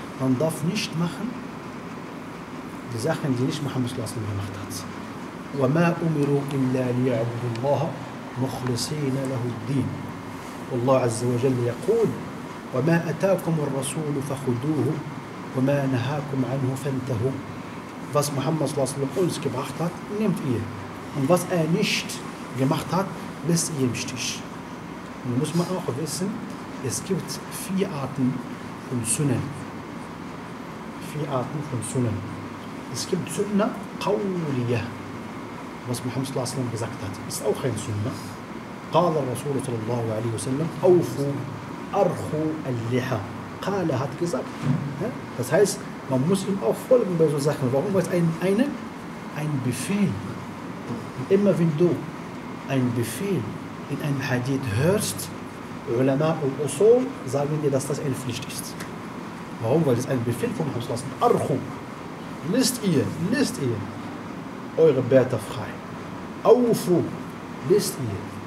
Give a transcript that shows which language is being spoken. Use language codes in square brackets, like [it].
[de] Man darf nicht machen die Sachen, die nicht Muhammad sallallahu alaihi wa sallam gemacht hat. [ar] وما أمروا إلا ليعبدوا الله مخلصين له الدين. والله عز وجل يقول وما أتاكم الرسول فخذوه وما نهاكم عنه فانتهوا. [de] Was Muhammad sallallahu alaihi wa sallam uns gebracht hat, nehmt ihr. Und was er nicht gemacht hat, lasst ihr im Stich. Und muss man auch wissen, es gibt vier Arten von Sunnah. Vier Arten von Sunnah. Es gibt Sunnah Qawliyah. Was Muhammad sallallahu alaihi wa sallam gesagt hat, ist auch ein Sunnah. [ar] قال الرسول صلى الله عليه وسلم أوفوا أرخوا اللحى قال هات كذا [de] das heißt man muss ihm auch folgen bei so Sachen. Warum? Weil es ein Befehl. Und immer wenn du ein Befehl in einem Hadith hörst, علماء الأصول sagen dir, dass das eine Pflicht ist. Warum? Weil es ein Befehl von Muhammad sallallahu alaihi wasallam. أرخوا lest ihr eure Bärte frei. أوفوا lest ihr.